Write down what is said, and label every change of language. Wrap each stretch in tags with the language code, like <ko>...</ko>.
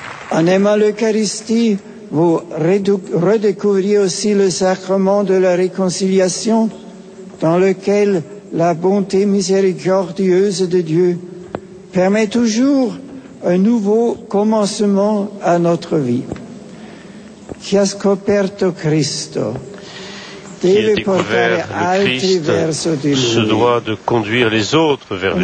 <fr>En aimant l'Eucharistie, vous redécouvriez aussi le sacrement de la réconciliation, dans lequel la bonté miséricordieuse de Dieu permet toujours un nouveau commencement à notre vie.</fr> <it>Chi ha scoperto Cristo deve portare altri verso di lui.</it> <fr>Se doit de conduire les autres vers lui.</fr>